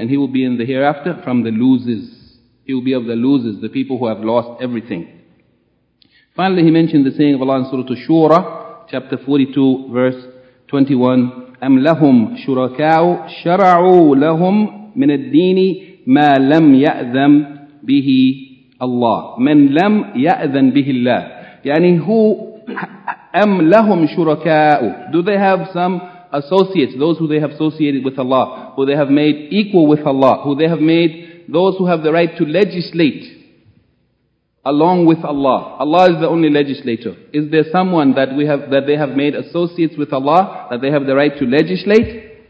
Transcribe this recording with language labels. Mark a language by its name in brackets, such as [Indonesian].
[English] And he will be in the hereafter from the losers. He will be of the losers, the people who have lost everything. Finally, he mentioned the saying of Allah in Surah Ash-Shura, chapter 42, verse 21, [Arabic] أَمْ لَهُمْ شُرَكَاءُ شَرَعُوا لَهُمْ مِنَ الدِّينِ مَا لَمْ يَأْذَمْ بِهِ اللَّهِ. مَنْ لَمْ يَأْذَنْ بِهِ اللَّهِ. يعني [English] who, [Arabic] أَمْ لَهُمْ شُرَكَاءُ. [English] Do they have some associates, those who they have associated with Allah, who they have made equal with Allah, who they have made those who have the right to legislate along with Allah? Allah is the only legislator. Is there someone that we have, that they have made associates with Allah, that they have the right to legislate?